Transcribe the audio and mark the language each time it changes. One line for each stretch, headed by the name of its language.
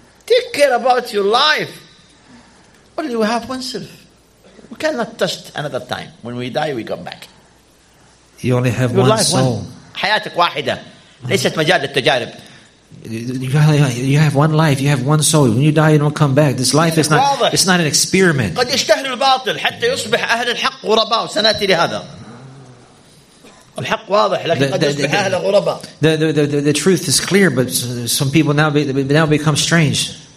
English: Take care about your life. Only we have oneself. We cannot touch another time. When we die, we come back. You only have your one life, soul.
Arabic: حياتك واحدة. ليست مجال للتجارب.
English: You have one life. You have one soul. When you die, you don't come back. This life is not. It's not an experiment.
Arabic: قد يشتهر الباطل حتى يصبح أهل الحق غرباء. سنأتي لهذا. الحق واضح لكن قد يصبح أهل غرباء.
English: The truth is clear, but some people now become strange.